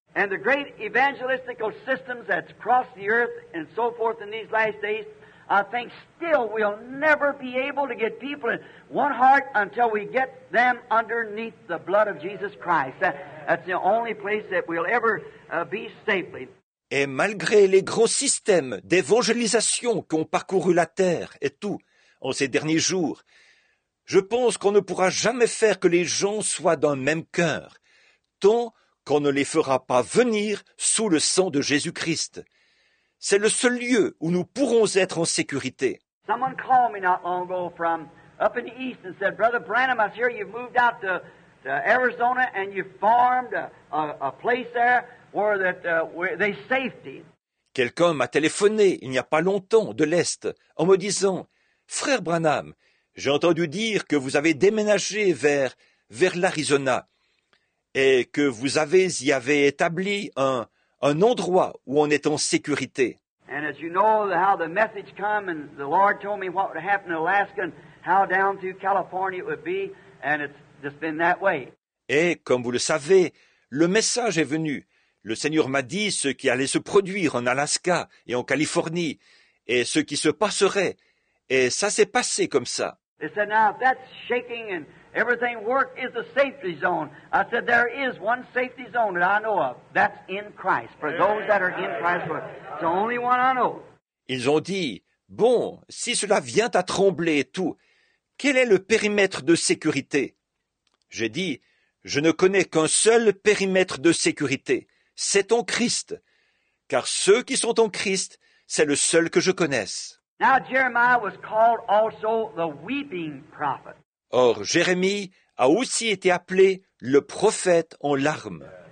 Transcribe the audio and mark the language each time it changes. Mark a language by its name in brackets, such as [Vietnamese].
[English] And the great evangelistical systems that's crossed the earth and so forth in these last days, I think still we'll never be able to get people in one heart until we get them underneath the blood of Jesus Christ. That's the only place that we'll ever be safely. [French] Et malgré les grands systèmes d'évangélisation qui ont parcouru la terre et tout en ces derniers jours, je pense qu'on ne pourra jamais faire que les gens soient d'un même cœur, tant qu'on ne les fera pas venir sous le sang de Jésus-Christ. C'est le seul lieu où nous pourrons être en sécurité. [English] Someone called me not long ago from up in the east and said, Brother Branham, I hear you've moved out to Arizona and you've farmed a place there where that where they safety. [French] Quelqu'un m'a téléphoné il n'y a pas longtemps de l'Est en me disant, Frère Branham, j'ai entendu dire que vous avez déménagé vers l'Arizona et que vous y avez établi un endroit où on est en sécurité. [English] And as you know how the message come and the Lord told me what would happen in Alaska and how down through California it would be, and it's just been that way. [French] Et comme vous le savez, le message est venu. Le Seigneur m'a dit ce qui allait se produire en Alaska et en Californie et ce qui se passerait. Et ça s'est passé comme ça. [English] They said, now if that's shaking and everything work is a safety zone. I said, there is one safety zone that I know of. That's in Christ. For those that are in Christ, it's the only one I know. [French] Ils ont dit, bon, si cela vient à trembler et tout, quel est le périmètre de sécurité? J'ai dit, je ne connais qu'un seul périmètre de sécurité. C'est en Christ. Car ceux qui sont en Christ, c'est le seul que je connaisse. [English] Now Jeremiah was called also the weeping prophet. [French] Or, Jérémie a aussi été appelé le prophète en larmes.